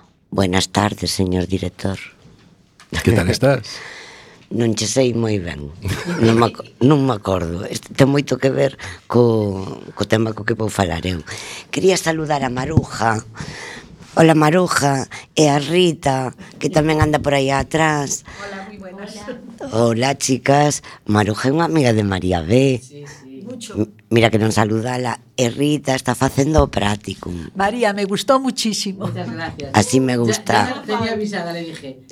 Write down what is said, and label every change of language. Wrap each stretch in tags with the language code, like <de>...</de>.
<es>Buenas tardes, señor director. ¿Qué tal estás?</es> <gl>Non che sei moi ben. Non me acordo. Ten moito que ver co tema co que vou falar eu.</gl> <es>Quería saludar a Maruja. Hola, Maruja.</es> <gl>E a Rita, que tamén anda por aí atrás.</gl> <es>Hola,</es> <gl>moi</gl> <es>buenas. Hola, chicas.</es> <gl>Maruja é unha amiga de María B.</gl> <es>Sí, sí.</es> <gl>Mira que non saludala. E Rita está facendo o práctico. María, me gustou muchísimo.</gl> <es>Muchas gracias. Así me gusta. Ya tenía avisada, le dije.</es>